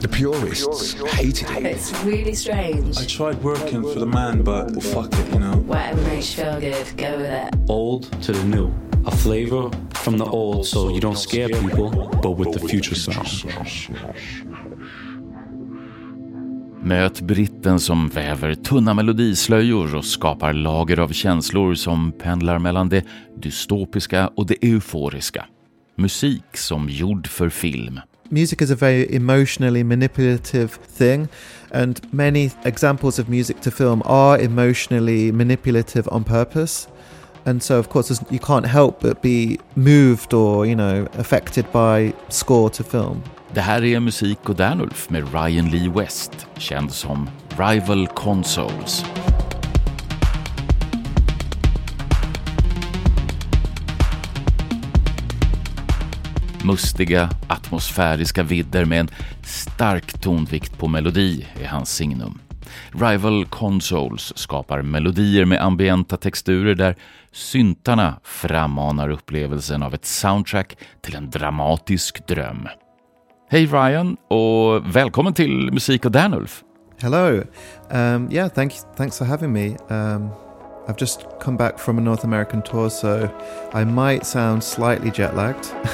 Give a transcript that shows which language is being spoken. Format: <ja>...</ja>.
<en>The purists hated it. It's really strange. I tried working for the man, but well, fuck it, you know. Whatever makes you feel good, go with it. Old to the new. A flavor from the old, so you don't scare people, but with the future sound.</en> <sv>Möt britten som väver tunna melodislöjor och skapar lager av känslor som pendlar mellan det dystopiska och det euforiska. Musik som gjord för film.</sv> <en>Music is a very emotionally manipulative thing, and many examples of music to film are emotionally manipulative on purpose. And so of course you can't help but be moved or, you know, affected by score to film.</en> <sv>Det här är Musik och Danulf med Ryan Lee West, känd som Rival Consoles. Mustiga, atmosfäriska vidder med en stark tonvikt på melodi är hans signum. Rival Consoles skapar melodier med ambienta texturer där syntarna frammanar upplevelsen av ett soundtrack till en dramatisk dröm. Hey Ryan, och välkommen till Musik och Danulf.</sv> <en>Hello. Yeah, thanks for having me. I've just come back from a North American tour, so I might sound slightly jet-lagged.</en>